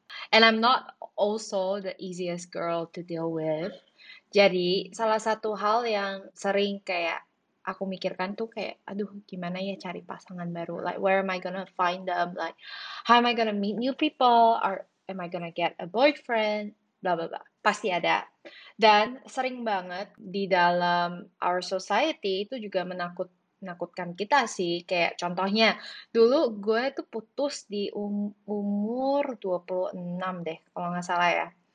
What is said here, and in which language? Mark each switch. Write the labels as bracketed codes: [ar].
[en] And I'm not also the easiest girl to deal with. [id] Jadi, salah satu hal yang sering kayak aku mikirkan tuh kayak, aduh, gimana ya cari pasangan baru? [en] Like, where am I gonna find them? Like, how am I gonna meet new people? Or am I gonna get a boyfriend? Blah, blah, blah. [id] Pasti ada. Dan sering banget di dalam [en] our society [id] itu juga menakutkan kita sih. Kayak contohnya, dulu gue tuh putus di umur 26 deh, kalau gak salah ya.